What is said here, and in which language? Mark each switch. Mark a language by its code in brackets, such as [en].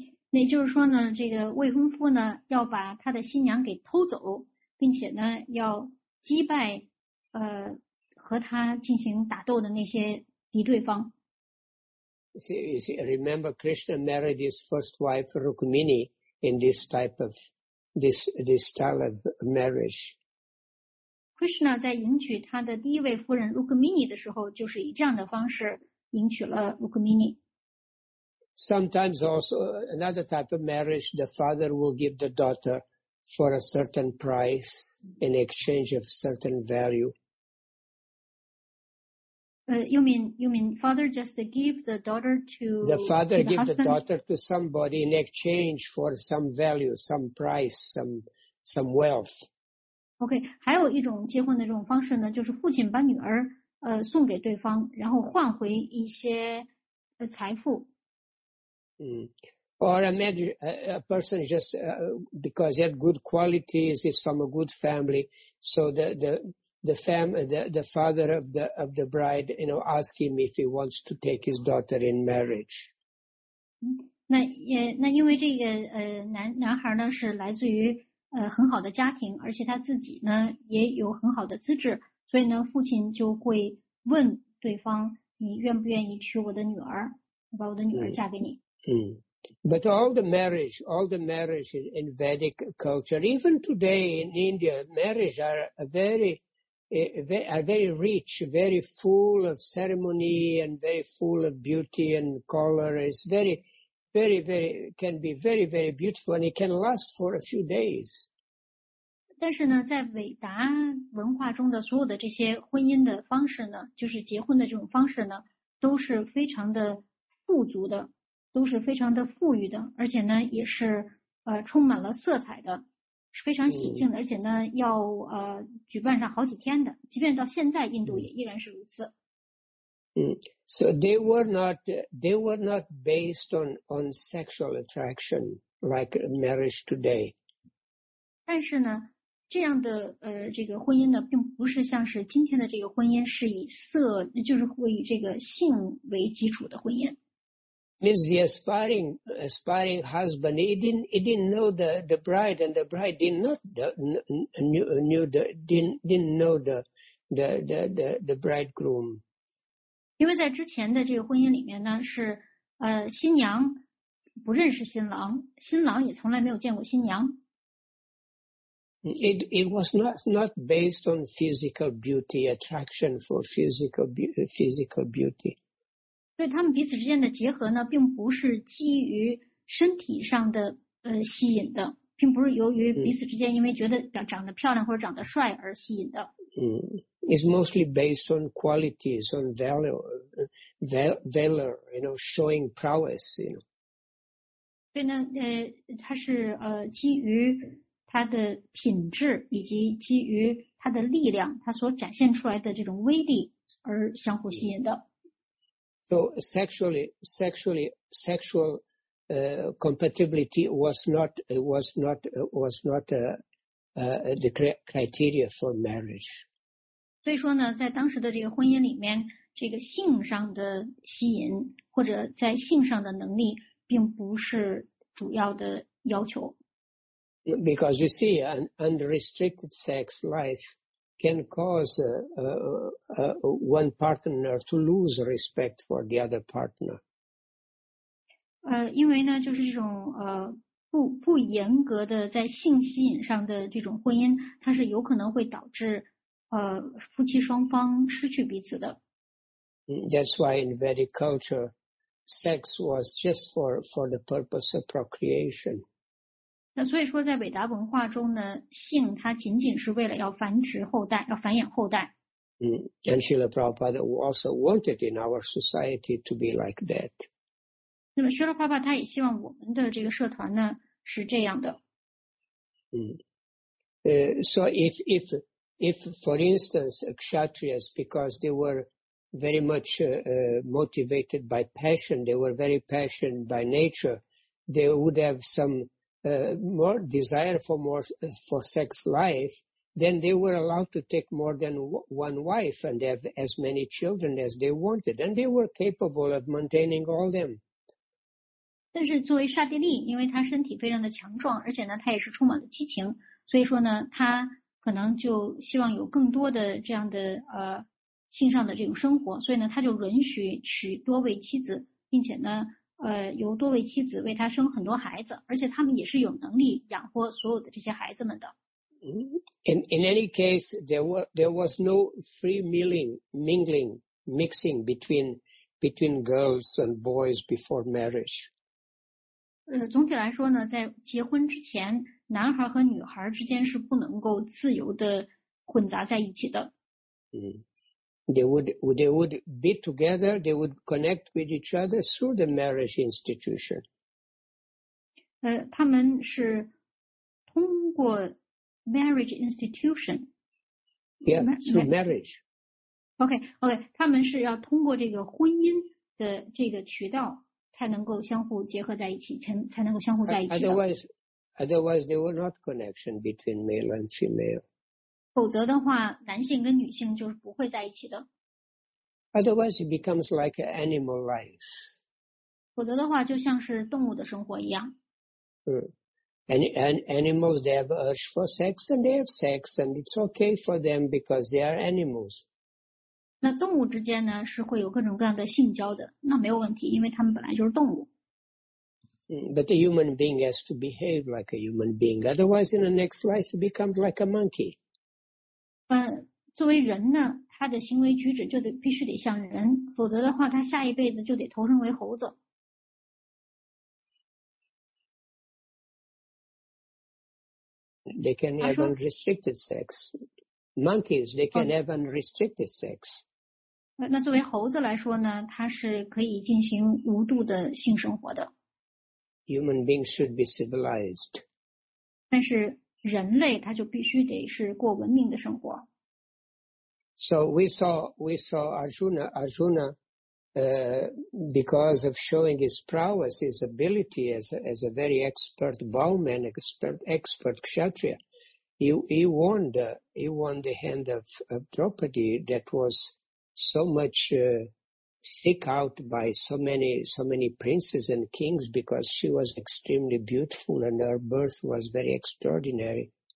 [zh] 那就是说呢，这个未婚夫呢，要把他的新娘给偷走，并且呢，要击败和他进行打斗的那些敌对方。 [en] You see, remember Krishna married his first wife Rukmini in this style of marriage. [zh] Krishna 在迎娶他的第一位夫人 Rukmini 的时候，就是以这样的方式迎娶了 Rukmini. [en] Sometimes also another type of marriage, the father will give the daughter for a certain price in exchange of certain value. You mean father just give the daughter to the father to the give、 husband? The daughter to somebody in exchange for some value, some price, some wealth. [zh] Okay, 还有一种结婚的这种方式呢，就是父亲把女儿送给对方，然后换回一些财富。 [en] Or a person justbecause he had good qualities, he's from a good family, so the father of the bride, you know, ask him if he wants to take his daughter in marriage. [zh] 那因为这个男孩呢是来自于很好的家庭，而且他自己呢也有很好的资质，所以呢父亲就会问对方，你愿不愿意娶我的女儿，把我的女儿嫁给你。 [en] But all the marriage in Vedic culture, even today in India, marriage are very rich, very full of ceremony and very full of beauty and color. It's very, very, very, can be very, very beautiful and it can last for a few days. [zh] 但是呢，在伟达文化中的所有的这些婚姻的方式呢，就是结婚的这种方式呢，都是非常的富足的，都是非常的富裕的，而且呢，也是充满了色彩的。是非常喜庆的，而且呢，要举办上好几天的。即便到现在，印度也依然是如此。 [en] So they were not based on sexual attraction like marriage today. [zh] 但是呢，这样的这个婚姻呢，并不是像是今天的这个婚姻是以色，就是会以这个性为基础的婚姻。 [en] Means the aspiring husband, he didn't know the bride, and the bride didn't know the bridegroom. [zh] 因为在之前的这个婚姻里面呢，是新娘不认识新郎，新郎也从来没有见过新娘。 [en] It was not based on physical beauty, attraction for physical beauty. [zh] 所以他们彼此之间的结合呢，并不是基于身体上的吸引的，并不是由于彼此之间因为觉得长得漂亮或者长得帅而吸引的。 [en] It's mostly based on qualities, on valor, you know, showing prowess, you know. [zh] 所以呢，它是基于它的品质以及基于它的力量，它所展现出来的这种威力而相互吸引的。 [en] So sexual compatibility was not the criteria for marriage. [zh] 所以说呢，在当时的这个婚姻里面，这个性上的吸引或者在性上的能力并不是主要的要求。 [en] Because you see, an unrestricted sex life can cause one partner to lose respect for the other partner. [zh] 因为呢，就是这种不严格的在性吸引上的这种婚姻，它是有可能会导致夫妻双方失去彼此的。 [en] That's why in Vedic culture, sex was just for the purpose of procreation. [zh] 那所以说，在韦达文化中呢，性它仅仅是为了要繁殖后代，要繁衍后代。 [en] And Srila Prabhupada also wanted in our society to be like that. [zh] 那么Srila Prabhupada他也希望我们的这个社团呢是这样的。 [en] So if for instance Kshatriyas, because they were very much motivated by passion, they were very passionate by nature, they would have some more desire for more for sex life, then they were allowed to take more than one wife and have as many children as they wanted, and they were capable of maintaining all them. [zh] 但是作为刹帝利，因为他身体非常的强壮，而且呢，他也是充满了激情，所以说呢，他可能就希望有更多的这样的性上的这种生活，所以呢，他就允许娶多位妻子，并且呢，由多位妻子为他生很多孩子，而且他们也是有能力养活所有的这些孩子们的。 [en] In any case, there was no free mingling between girls and boys before marriage. [zh] 总体来说呢，在结婚之前，男孩和女孩之间是不能够自由的混杂在一起的。 [en] They would be together, they would connect with each other through the marriage institution. [zh] 他们是通过 [en] marriage institution. Yeah, through marriage. [zh] Okay, 他们是要通过这个婚姻的这个渠道才能够相互结合在一起，才能够相互在一起。 [en] Otherwise, there were not connection between male and female. [zh] 否则的话，男性跟女性就是不会在一起的。 [en] Otherwise, it becomes like an animal life. [zh] 否则的话，就像是动物的生活一样。 [en] And animals, they have urge for sex, and they have sex, and it's okay for them because they are animals. [zh] 那动物之间呢，是会有各种各样的性交的，那没有问题，因为他们本来就是动物。 [en] But the human being has to behave like a human being. Otherwise, in the next life, he becomes like a monkey. [zh] 作为人呢，他的行为举止就得必须得像人，否则的话，他下一辈子就得投生为猴子。 [en] They can have unrestricted sex. Monkeys, they can have unrestricted sex. [zh] 那作为猴子来说呢，他是可以进行无度的性生活的。 [en] Human beings should be civilized. [zh] 但是人类他就必须得是过文明的生活。 [en] So we saw Arjuna, because of showing his prowess, his ability as a very expert bowman, expert kshatriya, he won the hand of Draupadi that was so much seek out by so many princes and kings because she was extremely beautiful and her birth was very extraordinary.